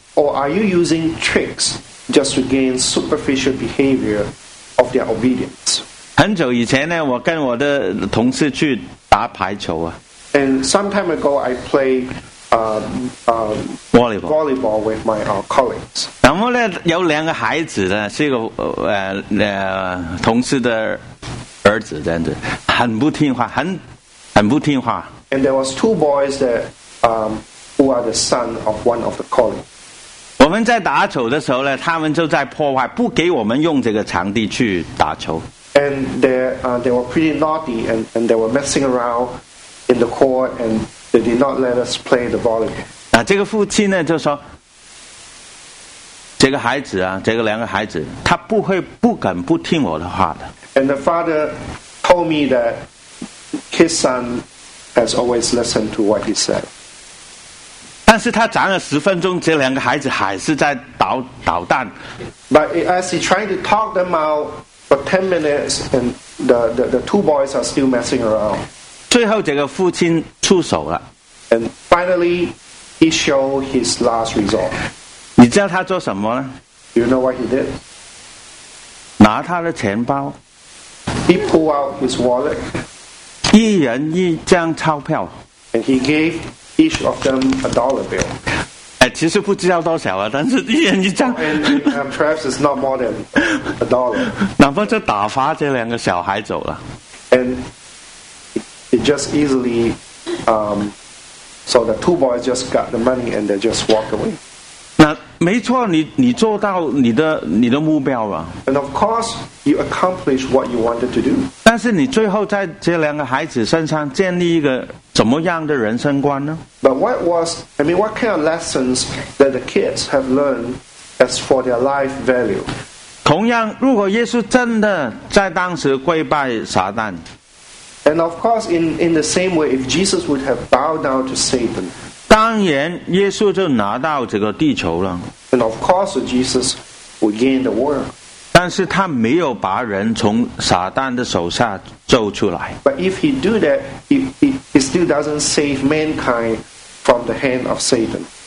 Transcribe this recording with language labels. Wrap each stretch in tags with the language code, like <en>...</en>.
<en>Or are you using tricks just to gain superficial behavior of their obedience?</en> <zh>很久以前呢，我跟我的同事去打排球啊。</zh> <en>And some time ago, I played volleyball with my colleagues.</en> <zh>然后呢，有两个孩子呢，是一个同事的儿子，这样子，很不听话，很不听话。</zh> <en>And there was two boys that who are the son of one of the colleagues.</en> <zh>我们在打球的时候呢，他们就在破坏，不给我们用这个场地去打球。</zh> <en>And they were pretty naughty and they were messing around in the court and they did not let us play the volleyball.</en> <zh>这个父亲呢就说，这个孩子啊，这个两个孩子，他不会不敢不听我的话的。</zh> <en>And the father told me that his son has always listened to what he said.</en> <zh>但是他站了十分钟，这两个孩子还是在捣蛋。</zh> <en>But as he tried to talk them out for 10 minutes, and the two boys are still messing around.</en> <zh>最后，这个父亲出手了。</zh> <en>And finally, he showed his last resort.</en> <zh>你知道他做什么呢？</zh> <en>You know what he did?</en> <zh>拿他的钱包。</zh> <en>He pulled out his wallet.</en> <zh>一人一张钞票。</zh> <en>And he gave. Each of them a dollar bill.</en> <zh>其实不知道多少啊，但是一人一张。</zh> <en>And perhaps it's not more than a dollar.</en> <zh>然后就打发这两个小孩走了。</zh> <en>And it just easily, so the two boys just got the money and they just walked away.</en> <zh>那没错，你做到你的目标了。</zh> <en>And of course, you accomplished what you wanted to do.</en> <zh>但是你最后在这两个孩子身上建立一个。怎么样的人生观呢？</zh> <en>But what kind of lessons that the kids have learned as for their life value?</en> <zh>同样，如果耶稣真的在当时跪拜撒旦，</zh> <en>And of course, in the same way, if Jesus would have bowed down to Satan,</en> <zh>当然耶稣就拿到这个地球了。</zh> <en>And of course, Jesus would gain the world.</en> <zh>但是他没有把人从撒旦的手下救出来。</zh> <en>But if he do that, he still doesn't save mankind from the hand of Satan.</en>